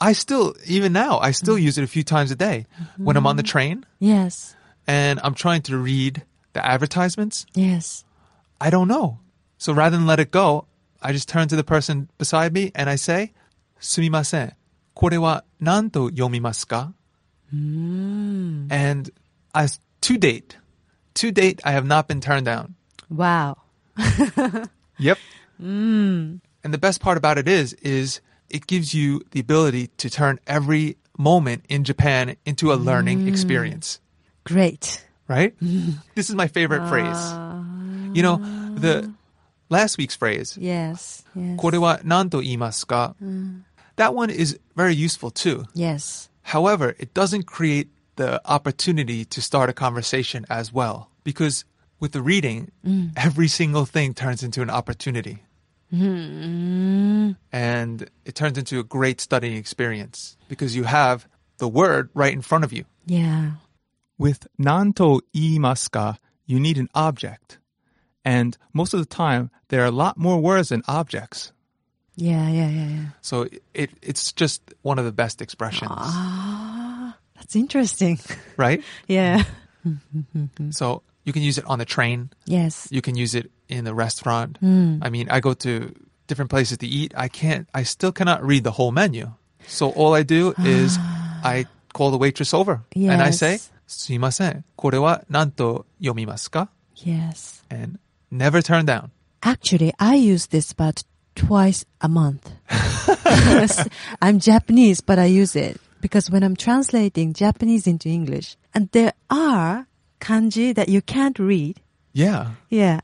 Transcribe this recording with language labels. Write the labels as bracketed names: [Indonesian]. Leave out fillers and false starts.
[English] I still use it a few times a day when I'm on the train. Yes. And I'm trying to read the advertisements. Yes. I don't know. So rather than let it go, I just turn to the person beside me and I say, すみません. [Japanese] これは何と読みますか? [English] And as to date, I have not been turned down. Wow. Yep. And the best part about it is it gives you the ability to turn every moment in Japan into a learning experience. Great. Right? This is my favorite phrase. You know, the last week's phrase. Yes. [Japanese] これは何と言いますか? [English] That one is very useful too. Yes. However, it doesn't create the opportunity to start a conversation as well. Because with the reading, every single thing turns into an opportunity. And it turns into a great studying experience. Because you have the word right in front of you. Yeah. With [Japanese] 何と言いますか, [English] you need an object. And most of the time, there are a lot more words than objects. Yeah. So it's just one of the best expressions. Ah, that's interesting. Right? Yeah. So you can use it on the train. Yes. You can use it in the restaurant. Mm. I mean, I go to different places to eat. I still cannot read the whole menu. So all I do is I call the waitress over. Yes. And I say, [Japanese] すいません, これは何と読みますか? [English] Yes. And never turn down. Actually, I use this about twice a month. I'm Japanese, but I use it. Because when I'm translating Japanese into English, and there are kanji that you can't read. Yeah. Yeah.